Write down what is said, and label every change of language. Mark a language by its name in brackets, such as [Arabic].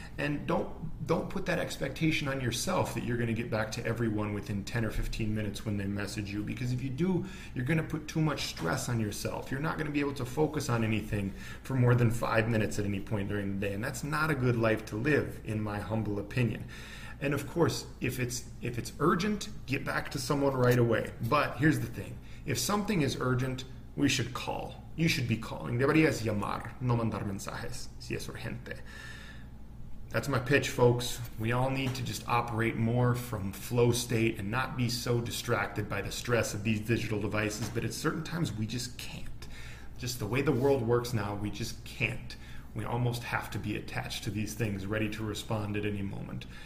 [English] And don't put that expectation on yourself that you're going to get back to everyone within 10 or 15 minutes when they message you, because if you do, you're going to put too much stress on yourself. You're not going to be able to focus on anything for more than 5 minutes at any point during the day, and that's not a good life to live, in my humble opinion. And of course, if it's urgent, get back to someone right away. But here's the thing. If something is urgent, we should call. You should be calling. [Spanish] Deberías llamar, no mandar mensajes, si es urgente. [English] That's my pitch, folks. We all need to just operate more from flow state and not be so distracted by the stress of these digital devices. But at certain times, we just can't. Just the way the world works now, we just can't. We almost have to be attached to these things, ready to respond at any moment.